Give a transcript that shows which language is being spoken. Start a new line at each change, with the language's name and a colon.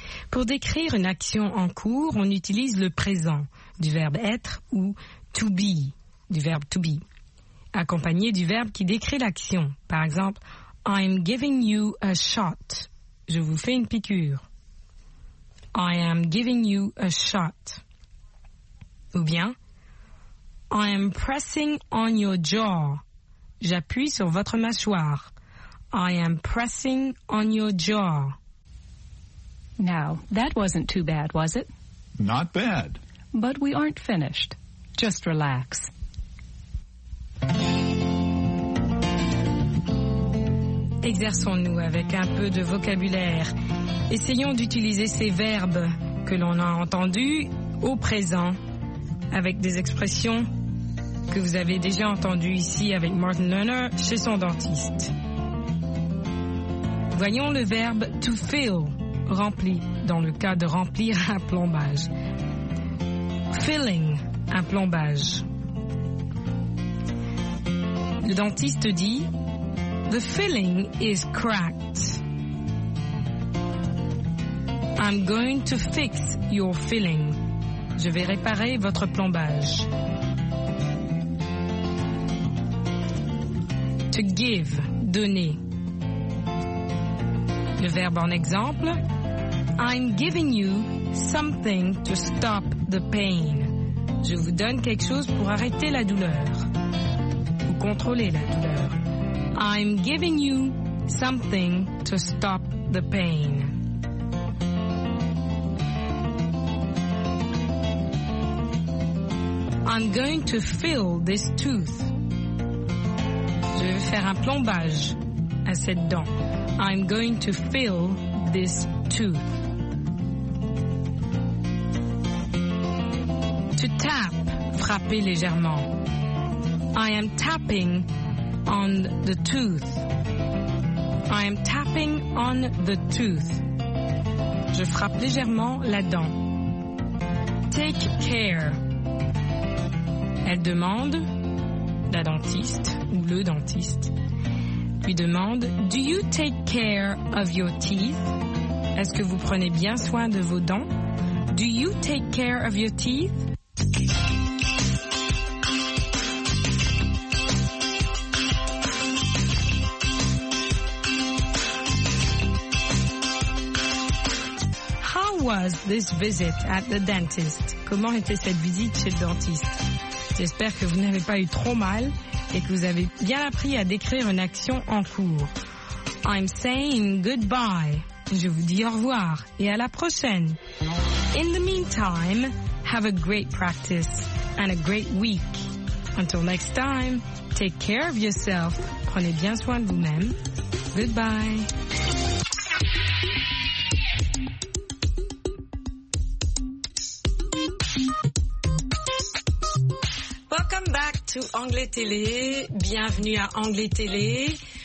French: Pour décrire une action en cours, on utilise le présent du verbe être ou to be, du verbe to be, accompagné du verbe qui décrit l'action. Par exemple,
English: I'm giving you a shot.
French: Je vous fais une piqûre.
English: I am giving you a shot.
French: Ou bien,
English: I am pressing on your jaw.
French: J'appuie sur votre mâchoire.
English: I am pressing on your jaw. Now, that wasn't too bad, was it? Not bad. But we aren't finished. Just relax.
French: Exerçons-nous avec un peu de vocabulaire. Essayons d'utiliser ces verbes que l'on a entendus au présent avec des expressions que vous avez déjà entendues ici avec Martin Lerner chez son dentiste. Voyons le verbe to fill, rempli, dans le cas de remplir un plombage. Filling, un plombage. Le dentiste dit,
English: the filling is cracked. I'm going to fix your filling.
French: Je vais réparer votre plombage. To give, donner. Le verbe en exemple,
English: I'm giving you something to stop the pain.
French: Je vous donne quelque chose pour arrêter la douleur, ou contrôler la douleur.
English: I'm giving you something to stop the pain. I'm going to fill this tooth.
French: Je vais faire un plombage à cette dent.
English: I'm going to fill this tooth.
French: To tap, frapper légèrement.
English: I am tapping on the tooth. I am tapping on the tooth.
French: Je frappe légèrement la dent.
English: Take care.
French: Elle demande, la dentiste ou le dentiste, lui demande,
English: do you take care of your teeth?
French: Est-ce que vous prenez bien soin de vos dents?
English: Do you take care of your teeth? How was this visit at the dentist?
French: Comment était cette visite chez le dentiste? J'espère que vous n'avez pas eu trop mal et que vous avez bien appris à décrire une action en cours.
English: I'm saying goodbye.
French: Je vous dis au revoir et à la prochaine.
English: In the meantime, have a great practice and a great week. Until next time, take care of yourself.
French: Prenez bien soin de vous-même.
English: Goodbye. To Anglais Télé.
French: Bienvenue à Anglais Télé.